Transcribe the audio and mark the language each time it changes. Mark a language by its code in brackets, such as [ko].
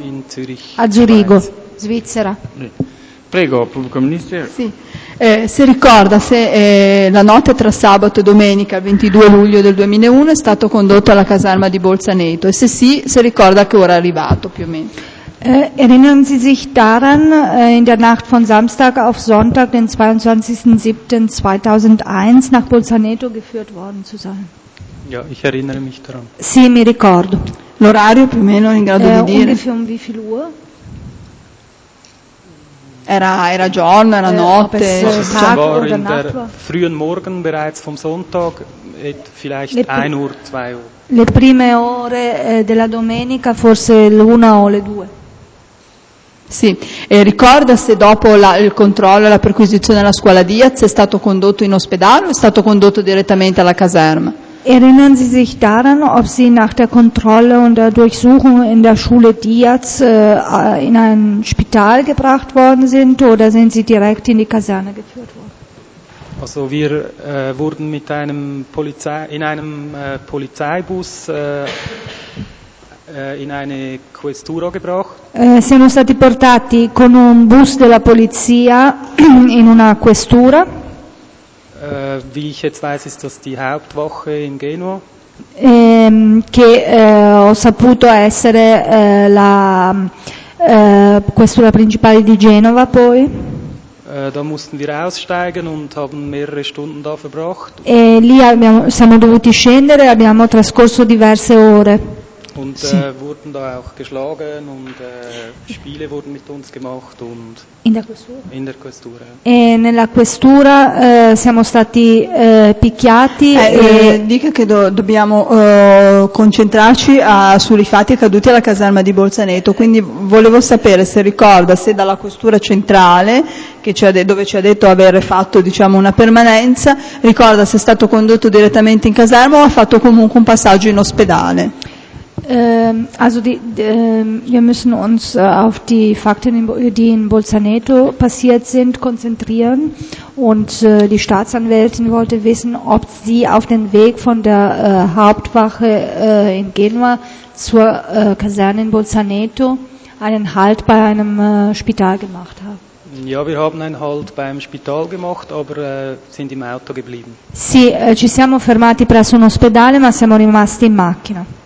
[de] in Zürich, [it] a Zurigo, Svizzera. Prego, pubblico ministero. Sì. Si ricorda se la notte tra sabato e domenica, 22 luglio del 2001, è stato condotto alla caserma di Bolzaneto? E se sì, si ricorda a che ora è arrivato più o meno? [de] Erinnern Sie sich daran, in der Nacht von Samstag auf Sonntag, den 22.07.2001, nach Bolzaneto geführt worden zu sein? Ja, ich erinnere mich daran. [it] Sì, mi ricordo. L'orario più o meno in grado di dire? [de] Ungefähr um wie viel Uhr? [it] Era giorno, era notte? [de] Sie war oder in Nacht der war? Frühen Morgen bereits vom Sonntag, vielleicht 1 Uhr, 2 Uhr. [it] Le prime ore della domenica, forse l'una o le due. Sì, e ricorda se dopo il controllo e la perquisizione alla scuola Diaz è stato condotto in ospedale o è stato condotto direttamente alla caserma? [de] Erinnern Sie sich daran, ob Sie nach der Kontrolle und der Durchsuchung in der Schule Diaz in ein Spital gebracht worden sind oder sind Sie direkt in die Kaserne geführt worden? Also wir wurden mit einem Polizeibus in eine Questura gebracht. [it] Siamo stati portati con un bus della polizia in una questura. [de] Wie ich jetzt weiß, ist das die Hauptwache in Genua. [it] Ho saputo essere la questura principale di Genova poi. [de] Da mussten wir aussteigen und haben mehrere Stunden da verbracht. [it] E lì siamo dovuti scendere, abbiamo trascorso diverse ore. [de] Und [it] sì. [de] Wurden da auch geschlagen und Spiele wurden mit uns gemacht und in der Questura. [it] E nella Questura siamo stati picchiati. Dica che dobbiamo concentrarci sui fatti accaduti alla caserma di Bolzaneto, quindi volevo sapere se ricorda se dalla Questura centrale, dove ci ha detto aver fatto una permanenza, ricorda se è stato condotto direttamente in caserma o ha fatto comunque un passaggio in ospedale. [de] Also wir müssen uns auf die Fakten, die in Bolzaneto passiert sind, konzentrieren. Und die Staatsanwältin wollte wissen, ob sie auf den Weg von der Hauptwache in Genua zur Kaserne in Bolzaneto einen Halt bei einem Spital gemacht hat. Ja, wir haben einen Halt beim Spital gemacht, aber sind im Auto geblieben. [it] Sì, ci siamo fermati presso un ospedale, ma siamo rimasti in macchina.